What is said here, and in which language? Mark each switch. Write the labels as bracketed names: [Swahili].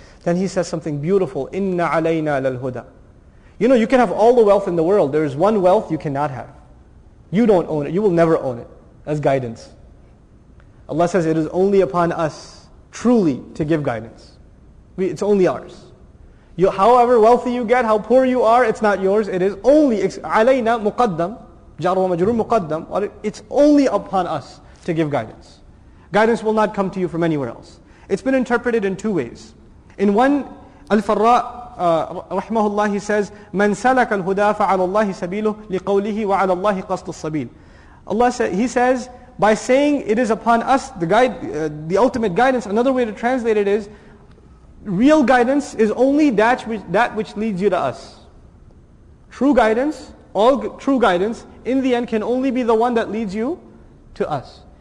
[English] Then He says something beautiful. [Arabic] Inna alayna lalhuda. [English] You know, you can have all the wealth in the world. There is one wealth you cannot have. You don't own it. You will never own it as guidance. Allah says, it is only upon us truly to give guidance. It's only ours. You, however wealthy you get, how poor you are, it's not yours. It is only [Arabic] عَلَيْنَا مُقَدَّمْ جَارُ وَمَجْرُونَ مُقَدَّمْ. [English] It's only upon us to give guidance. Guidance will not come to you from anywhere else. It's been interpreted in two ways. In one, Al-Farra, rahimahullah, he says, [Arabic] مَنْ سَلَكَ الْهُدَى فَعَلَى اللَّهِ سَبِيلُهُ لِقَوْلِهِ وَعَلَى اللَّهِ قَصْدُ السَّبِيلِ. [English] He says, by saying it is upon us, the ultimate guidance, another way to translate it is, real guidance is only that which leads you to us. True guidance, all true guidance, in the end can only be the one that leads you to us.